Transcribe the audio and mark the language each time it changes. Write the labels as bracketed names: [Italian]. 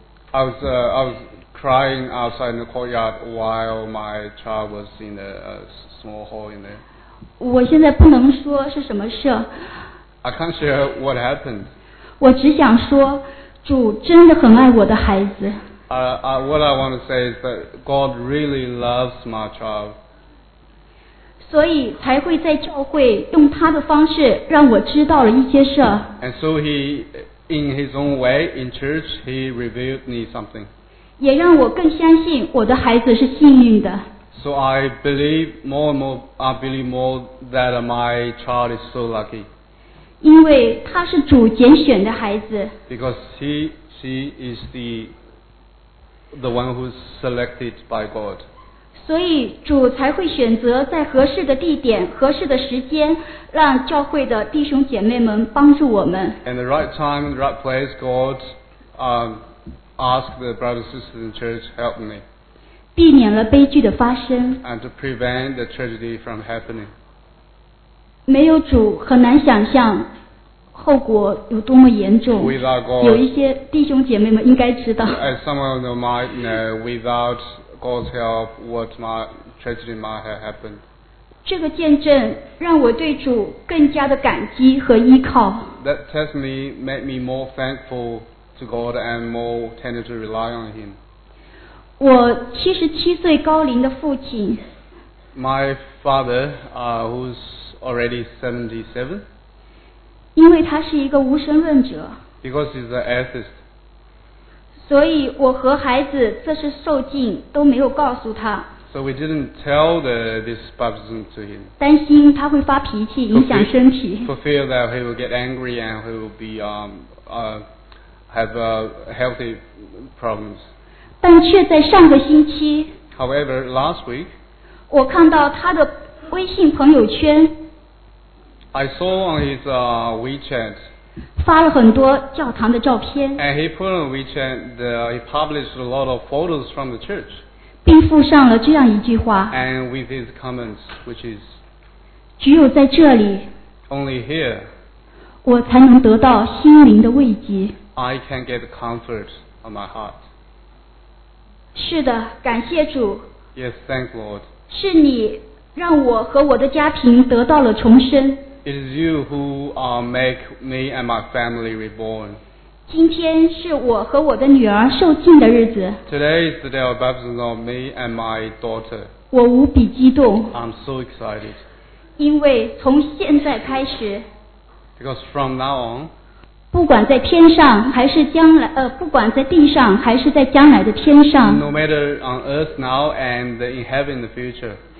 [English] I was crying outside in the courtyard while my child was in a small hall in there. [Chinese] 我现在不能说是什么事。 [English] I can't share what happened. [Chinese] 我只想说，主真的很爱我的孩子。 [English] What I want to say is that God really loves my child. [Chinese] 所以才会在教会用他的方式让我知道了一些事。 [English] And so he, in his own way, in church, he revealed me something. [Chinese] 也让我更相信我的孩子是幸运的。 [English] So I believe more and more, I believe more that my child is so lucky. [Chinese] 因为他是主拣选的孩子。 [English] Because she is the one who's selected by God. [Chinese] 所以主才会选择在合适的地点、合适的时间，让教会的弟兄姐妹们帮助我们。 [English] And the right time, the right place, God asked the brothers and sisters in church help me. [Chinese] 避免了悲剧的发生。 [English] And to prevent the tragedy from happening. [Chinese] 没有主很难想象后果有多么严重 [English] God, [Chinese] 有一些弟兄姐妹们应该知道 [English] As someone might know without God's help what my tragedy might have happened [Chinese] 这个见证让我对主更加的感激和依靠 [English] That testimony made me more thankful to God and more tender to rely on him [Chinese] 我77岁高龄的父亲 [English] My father who'sAlready 77. [Chinese] 因为他是一个无神论者 [English] Because he's an atheist. [Chinese] 所以我和孩子这是受浸都没有告诉他。 [English] So we didn't tell this baptism to him. [Chinese] 担心他会发脾气影响身体。 [English] For fear that he will get angry and he will be have healthy problems. [Chinese] 但却在上个星期。 [English] However, last week, [Chinese] 我看到他的微信朋友圈。 [English] I saw on his WeChat. [Chinese] 发了很多教堂的照片。 [English] And he put on WeChat, he published a lot of photos from the church. [Chinese] 并附上了这样一句话。 [English] And with his comments, which is, [Chinese] 只有在这里。 [English] Only here. [Chinese] 我才能得到心灵的慰藉。 [English] I can get comfort on my heart. [Chinese] 是的，感谢主。 [English] Yes, thank Lord. [Chinese] 是你让我和我的家庭得到了重生。 [English] It is you who make me and my family reborn. [Chinese] 今天是我和我的女儿受浸的日子。 [English] Today is the day of baptism of me and my daughter. [Chinese] 我无比激动。 [English] I'm so excited. [Chinese] 因为从现在开始。 [English] Because from now on. [Chinese] 不管在天上还是将来，不管在地上还是在将来的天上。 [English] No matter on earth now and in heaven in the future.